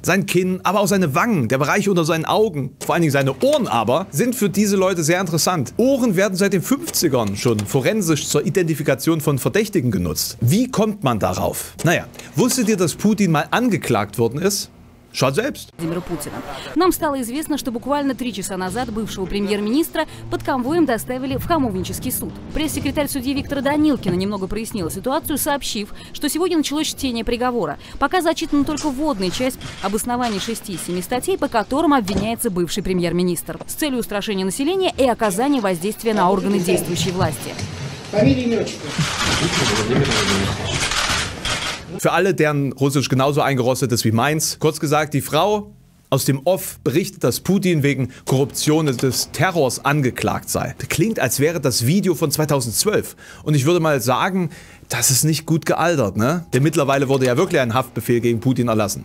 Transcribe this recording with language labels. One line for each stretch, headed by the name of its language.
German: Sein Kinn, aber auch seine Wangen, der Bereich unter seinen Augen, vor allen Dingen seine Ohren aber, sind für diese Leute sehr interessant. Ohren werden seit den 50ern schon forensisch zur Identifikation von Verdächtigen genutzt. Wie kommt man darauf? Naja, wusstet ihr, dass Putin mal angeklagt worden ist? Schaut selbst.
Russian: Владимира Путина. Нам стало известно, что буквально три часа назад бывшего премьер-министра под конвоем доставили в Хамовнический суд. Пресс-секретарь судьи Виктора Данилкина немного прояснила ситуацию, сообщив, что сегодня началось чтение приговора. Пока зачитана только вводная часть обоснования 6 из 7 статей, по которым обвиняется бывший премьер-министр. С целью устрашения населения и оказания воздействия на органы действующей власти.
German: Für alle, deren Russisch genauso eingerostet ist wie meins, kurz gesagt, die Frau aus dem Off berichtet, dass Putin wegen Korruption des Terrors angeklagt sei. Das klingt, als wäre das Video von 2012. Und ich würde mal sagen, Das ist nicht gut gealtert, ne? Denn mittlerweile wurde ja wirklich ein Haftbefehl gegen Putin erlassen.